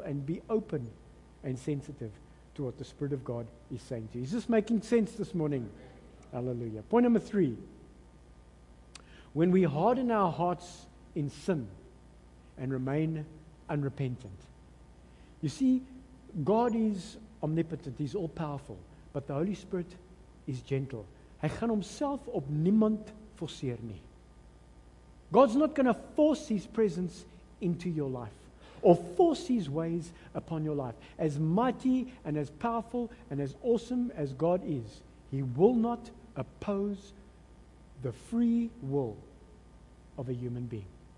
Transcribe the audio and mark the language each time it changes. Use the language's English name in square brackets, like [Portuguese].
[English] And be open and sensitive to what the Spirit of God is saying to you. Is this making sense this morning? Hallelujah. Point number three. When we harden our hearts in sin and remain unrepentant. You see, God is omnipotent, He's all-powerful, but the Holy Spirit is gentle. [Afrikaans] Hy gaan homself op niemand forceer nie. [English] God's not going to force His presence into your life, or force His ways upon your life. As mighty and as powerful and as awesome as God is, He will not oppose the free will of a human being.